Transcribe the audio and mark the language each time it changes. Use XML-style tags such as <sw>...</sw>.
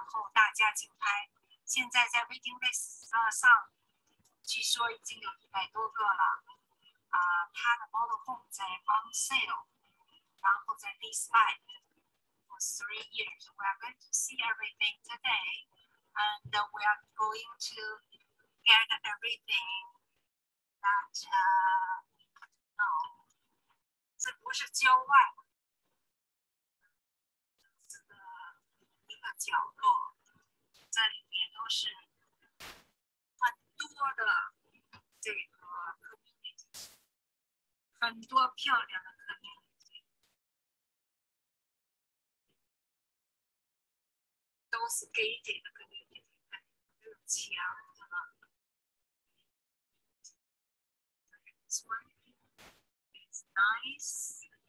<zh>有湖景房，湖景的地，然后大家竞拍。现在在 waiting list 上，据说已经有100多个了。啊，它的 model home 在 on sale， 然后在</zh> <en>lease by for 3 years. We are going to see everything today, and we are going to get everything that no，</en> <zh>这不是郊外。角落，这里面都是很多的这个community，很多漂亮的 community，都是 gated 的 community，有墙的。</zh> <en>This one is nice.</en>